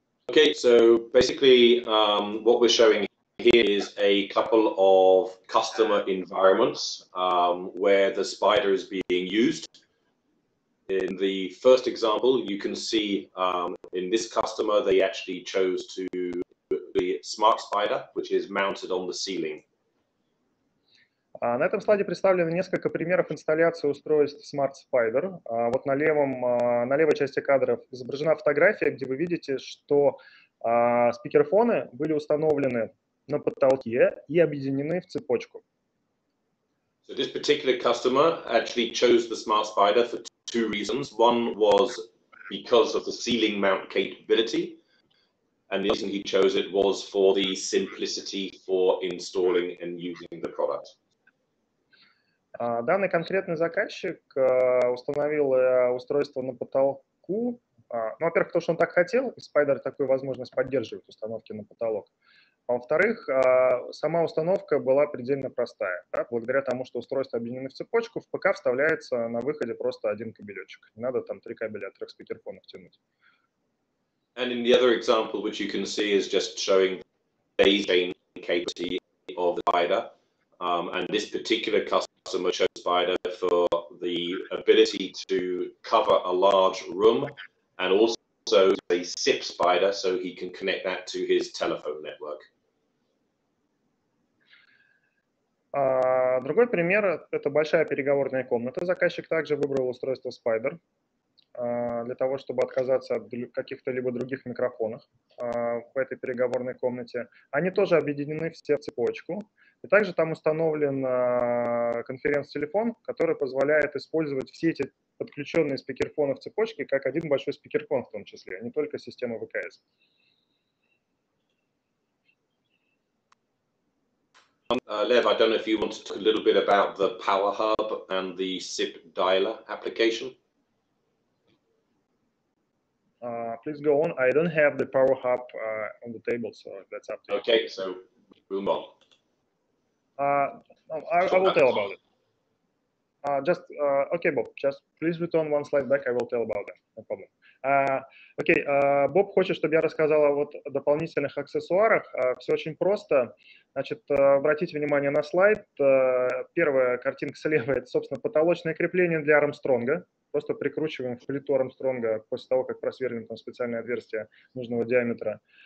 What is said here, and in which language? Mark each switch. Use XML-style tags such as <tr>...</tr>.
<en>Okay, so basically what we're showing here is a couple of customer environments where the spider is being used. In the first example, you can see in this customer, they actually chose to the smart spider, which is mounted on the ceiling.</en> <ru>На этом слайде представлены несколько примеров инсталляции устройств Smart Spider. Вот на левом, на левой части кадра изображена фотография, где вы видите, что спикерфоны были установлены на потолке и объединены в цепочку.</ru> <en>So this particular customer actually chose the Smart Spider for two reasons. One was because of the ceiling mount capability, and the reason he chose it was for the simplicity for installing and using the product.</en> <ru>Данный конкретный заказчик установил устройство на потолку. Ну, во-первых, то, что он так хотел, и Spider такую возможность поддерживает установки на потолок. А во-вторых, сама установка была предельно простая. Да? Благодаря тому, что устройство объединено в цепочку, в ПК вставляется на выходе просто один кабелечек. Не надо там три кабеля от трех спикерфонов тянуть.</ru> <en>And in the other example, which you can see, is just showing the chain capability of the Spider. And this particular customer chose Spider for the ability to cover a large room and also a SIP Spider, so he can connect that to his telephone network.</en> <ru>Другой пример – это большая переговорная комната. Заказчик также выбрал устройство Spider для того, чтобы отказаться от каких-то либо других микрофонов в этой переговорной комнате. Они тоже объединены все в цепочку. И также там установлен конференц-телефон, который позволяет использовать все эти подключенные спикерфоны в цепочке как один большой спикерфон в том числе, а не только система ВКС.</ru> <en>Lev, I don't know if you want to talk a little bit about the Power Hub and the SIP dialer application. Please go on. I don't have the Power Hub on the table, so that's up to you. Okay, so we'll move on. I will tell about it. Okay, Bob, just please return one slide back, I will tell about that, no problem.</en> <ru>Окей, Боб хочет, чтобы я рассказал о вот дополнительных аксессуарах. Все очень просто. Значит, обратите внимание на слайд. Первая картинка слева – это, собственно, потолочное крепление для Армстронга. Просто прикручиваем в плиту Армстронга после того, как просверлим там специальное отверстие нужного диаметра.</ru>